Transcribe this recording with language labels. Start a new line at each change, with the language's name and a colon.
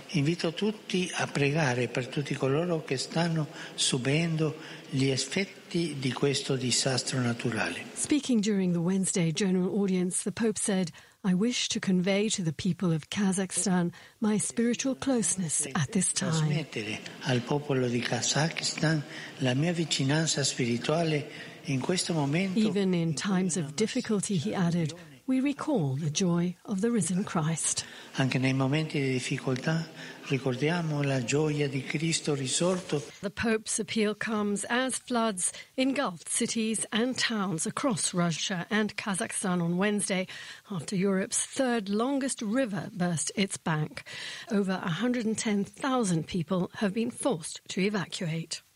Italian: Invito tutti a pregare per tutti coloro che stanno subendo gli effetti di questo disastro naturale.
English: Speaking during the Wednesday general audience, the Pope said, I wish to convey to the people of Kazakhstan my spiritual closeness at this time.
Italian: Trasmettere al popolo di Kazakhstan la mia vicinanza spirituale in questo momento.
English: Even in times of difficulty, he added, we recall the joy of the risen Christ.
Italian: Anche nei momenti di difficoltà ricordiamo la gioia di Cristo risorto.
English: The Pope's appeal comes as floods engulfed cities and towns across Russia and Kazakhstan on Wednesday after Europe's third longest river burst its bank. Over 110,000 people have been forced to evacuate.